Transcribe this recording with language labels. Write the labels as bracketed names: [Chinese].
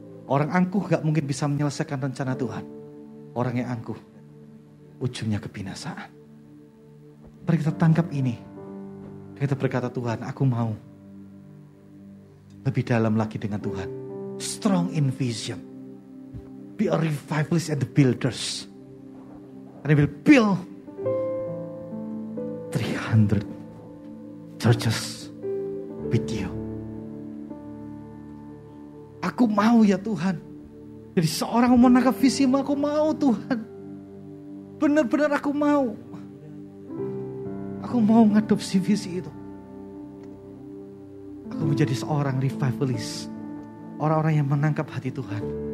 [Indonesian] Orang angkuh gak mungkin bisa menyelesaikan rencana Tuhan. Orang yang angkuh, ujungnya kebinasaan. Mari kita tangkap ini. Kita berkata, Tuhan, aku mau lebih dalam lagi dengan Tuhan. [English] Strong in vision. Be a revivalist and the builders. And I will build 300 churches with you. [Indonesian] Aku mau ya Tuhan. Jadi seorang yang menangkap visimu, aku mau Tuhan. Benar-benar aku mau. Aku mau ngadopsi visi itu. Aku menjadi seorang revivalist. Orang-orang yang menangkap hati Tuhan.